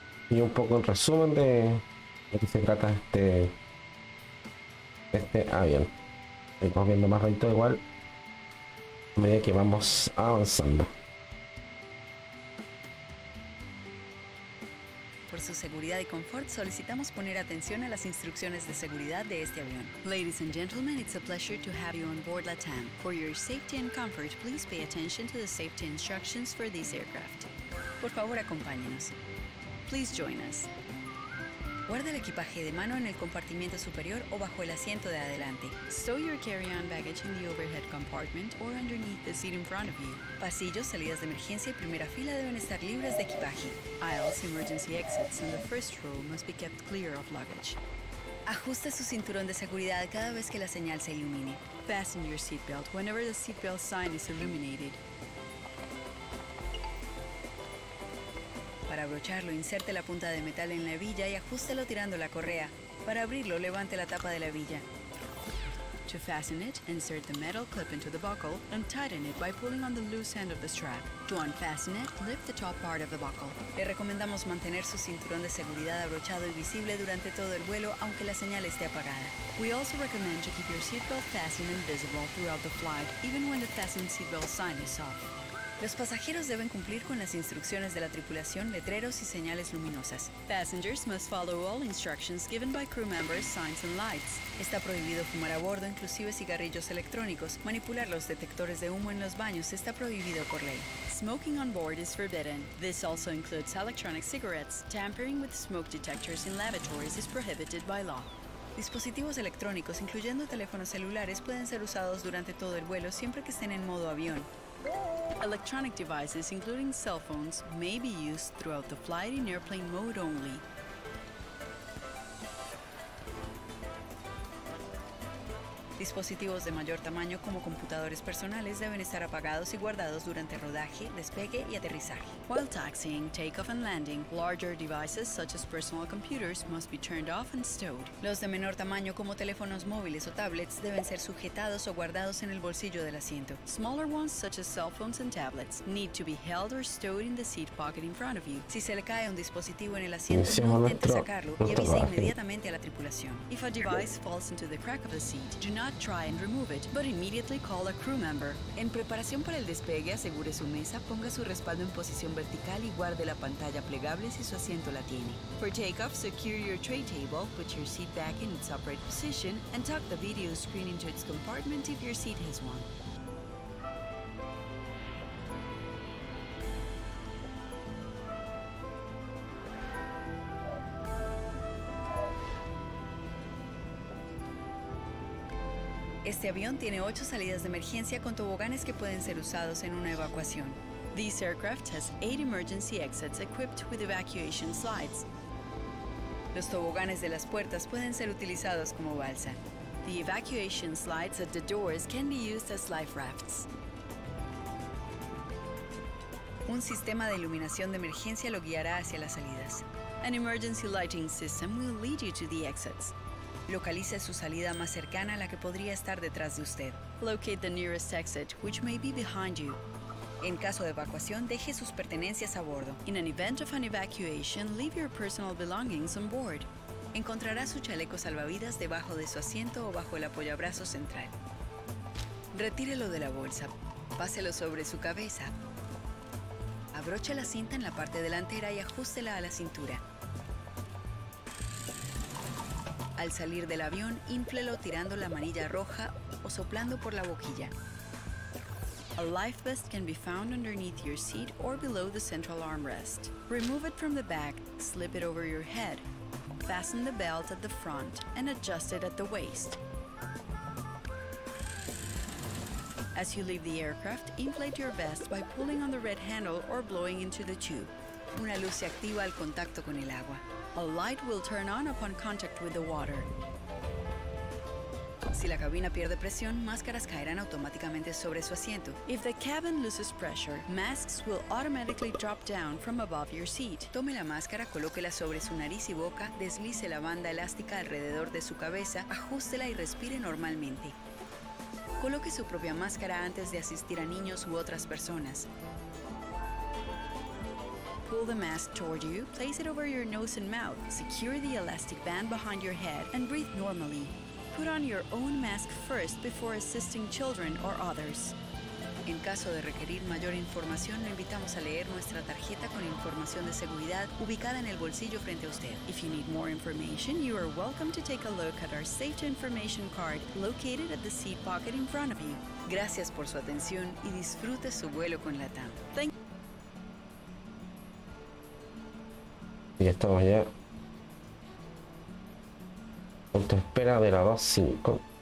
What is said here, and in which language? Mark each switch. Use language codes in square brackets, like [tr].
[es] Y un poco el resumen de lo que se trata este avión. Vamos viendo más rápido igual a medida que vamos avanzando. Por su seguridad y confort, solicitamos poner atención a las instrucciones de seguridad de este avión. [en] Ladies and gentlemen, it's a pleasure to have you on board LATAM. For your safety and comfort, please pay attention to the safety instructions for this aircraft. [es] Por favor, acompáñenos. [en] Please join us. [es] Guarda el equipaje de mano en el compartimiento superior o bajo el asiento de adelante. [en] Stow your carry-on baggage in the overhead compartment or underneath the seat in front of you. [es] Pasillos, salidas de emergencia y primera fila deben estar libres de equipaje. [en] Aisles, emergency exits, and the first row must be kept clear of luggage. [es] Ajuste su cinturón de seguridad cada vez que la señal se ilumine. [en] Fasten your seatbelt whenever the seatbelt sign is illuminated. [es] Para abrocharlo, inserte la punta de metal en la hebilla y ajústelo tirando la correa. Para abrirlo, levante la tapa de la hebilla. [en] To fasten it, insert the metal clip into the buckle and tighten it by pulling on the loose end of the strap. To unfasten it, lift the top part of the buckle. [es] Le recomendamos mantener su cinturón de seguridad abrochado y visible durante todo el vuelo, aunque la señal esté apagada. [en] We also recommend to keep your seatbelt fastened and visible throughout the flight, even when the fastened seatbelt sign is off. [es] Los pasajeros deben cumplir con las instrucciones de la tripulación, letreros y señales luminosas. [en] Passengers must follow all instructions given by crew members, signs and lights. [es] Está prohibido fumar a bordo, inclusive cigarrillos electrónicos. Manipular los detectores de humo en los baños está prohibido por ley. [en] Smoking on board is forbidden. This also includes electronic cigarettes. Tampering with smoke detectors in lavatories is prohibited by law. [es] Dispositivos electrónicos, incluyendo teléfonos celulares, pueden ser usados durante todo el vuelo siempre que estén en modo avión. [en] Electronic devices, including cell phones, may be used throughout the flight in airplane mode only. [es] Dispositivos de mayor tamaño, como computadores personales, deben estar apagados y guardados durante rodaje, despegue y aterrizaje. [en] While taxiing, takeoff and landing, larger devices such as personal computers must be turned off and stowed. [es] Los de menor tamaño, como teléfonos móviles o tablets, deben ser sujetados o guardados en el bolsillo del asiento. [en] Smaller ones such as cell phones and tablets need to be held or stowed in the seat pocket in front of you. [es] Si se le cae un dispositivo en el asiento, no intente sacarlo y avise inmediatamente a la tripulación. [en] If a device falls into the crack of the seat, do not try and remove it, but immediately call a crew member. [es] En preparación para el despegue, asegure su mesa, ponga su respaldo en posición vertical y guarde la pantalla plegable si su asiento la tiene. [en] For takeoff, secure your tray table, put your seat back in its upright position, and tuck the video screen into its compartment if your seat has one. [es] Este avión tiene 8 salidas de emergencia con toboganes que pueden ser usados en una evacuación. [en] This aircraft has 8 emergency exits equipped with evacuation slides. [es] Los toboganes de las puertas pueden ser utilizados como balsa. [en] The evacuation slides at the doors can be used as life rafts. [es] Un sistema de iluminación de emergencia lo guiará hacia las salidas. [en] An emergency lighting system will lead you to the exits. [es] Localice su salida más cercana a la que podría estar detrás de usted. [en] Locate the nearest exit, which may be behind you. [es] En caso de evacuación, deje sus pertenencias a bordo. [en] In an event of an evacuation, leave your personal belongings on board. [es] Encontrará su chaleco salvavidas debajo de su asiento o bajo el apoyabrazo central. Retírelo de la bolsa. Páselo sobre su cabeza. Abroche la cinta en la parte delantera y ajústela a la cintura. Al salir del avión, inflelo tirando la manilla roja o soplando por la boquilla. [en] A life vest can be found underneath your seat or below the central armrest. Remove it from the back, slip it over your head. Fasten the belt at the front and adjust it at the waist. As you leave the aircraft, inflate your vest by pulling on the red handle or blowing into the tube. [es] Una luz se activa al contacto con el agua. [en] A light will turn on upon contact with the water. [es] Si la cabina pierde presión, máscaras caerán automáticamente sobre su asiento. [en] If the cabin loses pressure, masks will automatically drop down from above your seat. [es] Tome la máscara, colóquela sobre su nariz y boca, deslice la banda elástica alrededor de su cabeza, ajústela y respire normalmente. Coloque su propia máscara antes de asistir a niños u otras personas. [en] Pull the mask toward you, place it over your nose and mouth, secure the elastic band behind your head, and breathe normally. Put on your own mask first before assisting children or others. [es] En caso de requerir mayor información, lo invitamos a leer nuestra tarjeta con información de seguridad ubicada en el bolsillo frente a usted. [en] If you need more information, you are welcome to take a look at our safety information card located at the seat pocket in front of you. [es] Gracias por su atención y disfrute su vuelo con LATAM. [en] Thank you. [es] Y estamos ya. Punto de espera de la 2-5.